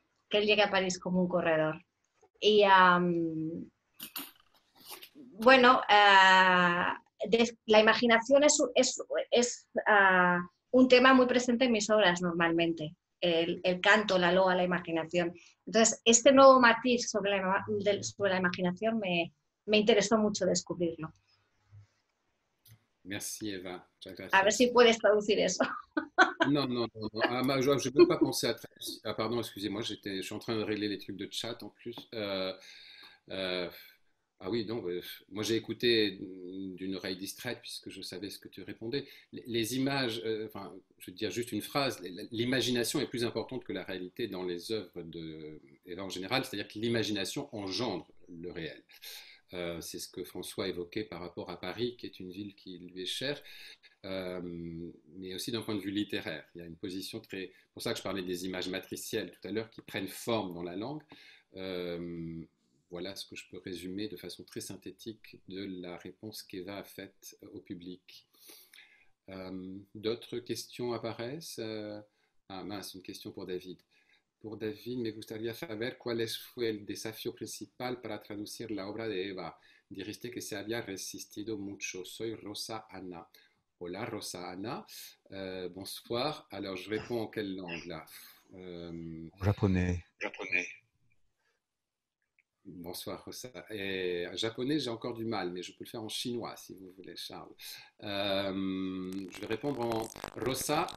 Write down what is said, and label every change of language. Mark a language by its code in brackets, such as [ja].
[es] Que él llegue a París como un corredor. Y la imaginación es un tema muy presente en mis obras normalmente, el canto, la loa, la imaginación. Entonces, este nuevo matiz sobre la imaginación me interesó mucho descubrirlo. [fr] Merci Eva. [es] A ver si puedes traducir eso. [fr] No. Je ne peux pas penser à. Ah, pardon, excusez-moi, je suis en train de régler les trucs de chat en plus. Moi j'ai écouté d'une oreille distraite puisque je savais ce que tu répondais. Les images, je veux dire juste une phrase, l'imagination est plus importante que la réalité dans les œuvres de Eva en général, c'est-à-dire que l'imagination engendre le réel. C'est ce que François évoquait par rapport à Paris, qui est une ville qui lui est chère, mais aussi d'un point de vue littéraire. Il y a une position très... C'est pour ça que je parlais des images matricielles tout à l'heure, qui prennent forme dans la langue. Voilà ce que je peux résumer de façon très synthétique de la réponse qu'Eva a faite au public. D'autres questions apparaissent? Ah mince, une question pour David. Pour [es] David, me gustaría saber cuál fue el desafío principal para traducir la obra de Eva. Dijiste que se había resistido mucho. Soy Rosa Ana. Hola, Rosa Ana. [fr] Bonsoir. Alors, je réponds en quelle langue là? Japonais. Japonais. Bonsoir, Rosa. Et, japonais, j'ai encore du mal, mais je peux le faire en chinois si vous voulez, Charles. Je vais répondre en Rosa.